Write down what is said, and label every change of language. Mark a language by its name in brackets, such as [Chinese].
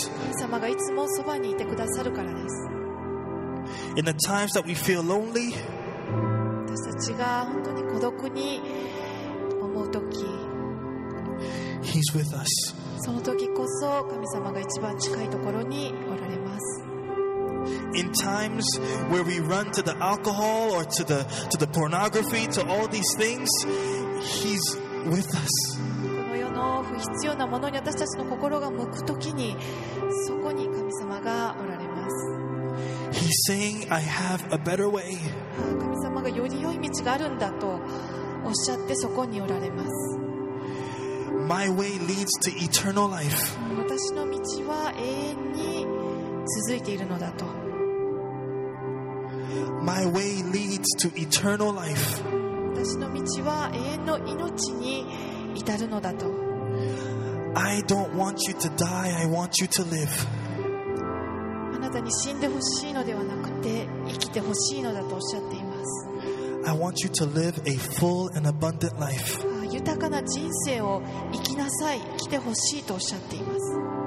[Japanese] 神様がいつもそばにいてくださるからです。 [English] In the times that we feel lonely, [Japanese] 私たちが本当に孤独に思う時、 [English] He's with us. [Japanese] その時こそ神様が一番近いところにおられます。 [English] In times where we run to the alcohol or to the pornography, to all these things, He's with us. [Japanese] この世の不必要なものに私たちの心が向く時に、そこに神様がおられます。 [English] He's saying, I have a better way. [Japanese] 神様がより良い道があるんだとおっしゃってそこにおられます。 [English] My way leads to eternal life. [Japanese] 私の道は永遠に続いているのだと。 [English] My way leads to eternal life. [Japanese] 私の道は永遠の命に至るのだと。 [English] I don't want you to die, I want you to live. [Japanese] あなたに死んでほしいのではなくて生きてほしいのだとおっしゃっています。 [English] I want you to live a full and abundant life. [Japanese] 豊かな人生を生きなさい、生きてほしいとおっしゃっています。